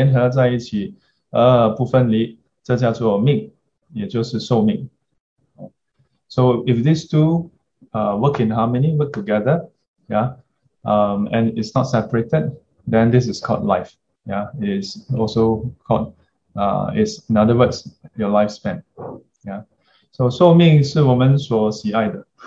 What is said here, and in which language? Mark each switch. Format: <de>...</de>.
<zh>这两部分联合在一起,而不分离, 这叫做命, 也就是寿命.</zh> <en>So if these two work in harmony, work together, and it's not separated, then this is called life. It's also called, it's, in other words, your lifespan.</en> <zh>So 寿命是我们所喜爱的.</zh>